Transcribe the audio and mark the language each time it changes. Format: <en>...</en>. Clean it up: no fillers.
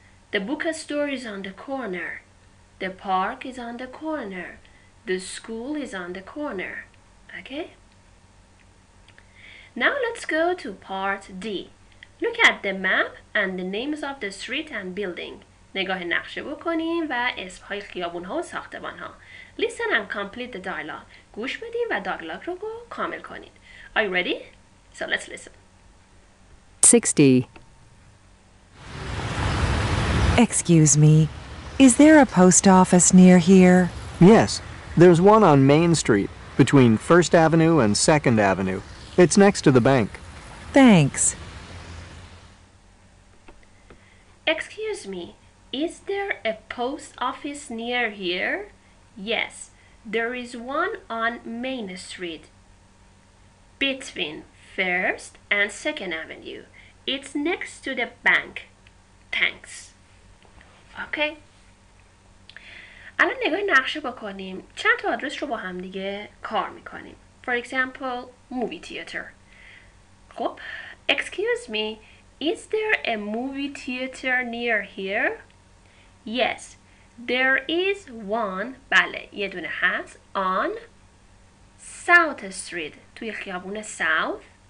<en>The bookstore is on the corner. The park is on the corner. The school is on the corner. Okay? Now let's go to part D. Look at the map and the names of the street and building.</en> <fa>نگاه نقشه بکنیم و اسمهای خیابونها و ساختمانها.</fa> <en>Listen and complete the dialogue.</en> <fa>گوش بدیم و دیالوگ رو کامل کنید.</fa> <en>Are you ready? So let's listen. 60. Excuse me, is there a post office near here? Yes, there's one on Main Street, between 1st Avenue and 2nd Avenue. It's next to the bank. Thanks. Excuse me, is there a post office near here? Yes, there is one on Main Street, between 1st and 2nd Avenue. It's next to the bank. Thanks. Okay.</en> <fa>الان نگاه نقشه بکنیم. چند تا آدرس رو با هم دیگه کار میکنیم.</fa> <en>For example, movie theater.</en> <fa>خب.</fa> <en>Excuse me, is there a movie theater near here? Yes, there is one.</en> <fa>بله. یه دونه هست.</fa> <en>On South Street.</en> <fa>توی خیابون</fa> <en>South.</en>